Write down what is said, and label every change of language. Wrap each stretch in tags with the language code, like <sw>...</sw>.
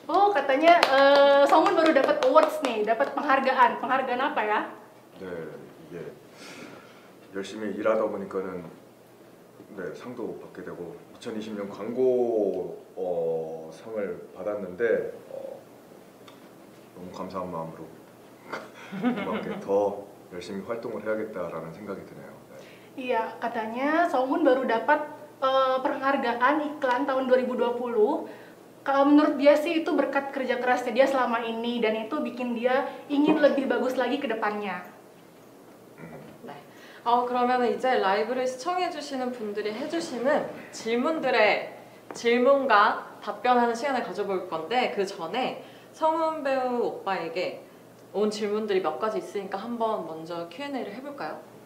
<id>katanya Songun baru dapat awards nih, dapat penghargaan. Penghargaan apa ya?</id> <ko>네, 이게 열심히 일하다 보니까는 네, 상도 받게 되고 2020년 광고 상을 받았는데 너무 감사한 마음으로 이렇게 더 열심히 활동을 해야겠다라는 생각이 드네요. 네.</ko> <id>Iya, katanya Songun baru dapat penghargaan iklan tahun 2020. Menurut dia sih itu berkat kerja kerasnya dia selama ini dan itu bikin dia ingin lebih bagus lagi ke depannya.</id> <ko>네. 그러면 이제 라이브를 시청해 주시는 분들이 해 주시는 질문들의 질문과 답변하는 시간을 가져볼 건데 그 전에 성훈 배우 오빠에게 온 질문들이 몇 가지 있으니까 한번 먼저 Q&A를 해 볼까요?</ko>